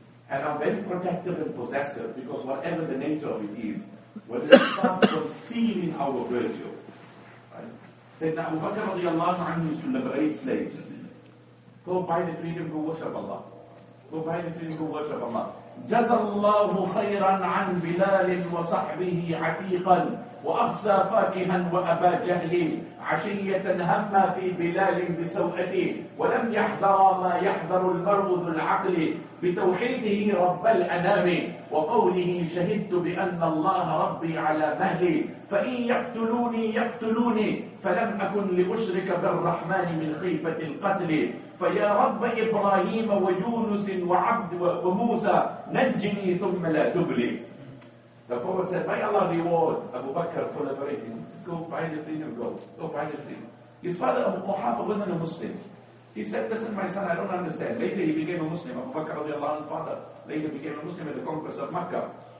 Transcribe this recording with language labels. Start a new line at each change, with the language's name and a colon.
English: And I'm very protective and possessive because whatever the nature of it is, when it starts concealing our virtue, right? Say that Abu Bakr radiallahu anhu used to liberate slaves. Go buy the freedom, go worship Allah. Go buy the freedom, go worship Allah.
Arabic: جَزَى اللَّهُ خَيْرًا عَنْ بِلَالٍ وَصَحْبِهِ عَتِيقًا. وأقصى فاكها وأبا جهل عشية هم في بلال بسوءته ولم يحضر ما يحضر المرء ذو العقل بتوحيده رب الأنام وقوله شهدت بأن الله ربي على مهلي فإن يقتلوني يقتلوني فلم أكن لأشرك بالرحمن من خيفة القتل فيا رب إبراهيم ويونس وعبد وموسى نجني ثم لا تبلي.
English: The Prophet said, may Allah reward Abu Bakr for liberating. Go find your freedom, go. Go find your freedom. His father, Abu Quhafa, wasn't a Muslim. He said, listen, my son, I don't understand. Later he became a Muslim. Abu Bakr, his father, later became a Muslim at the conquest of Makkah.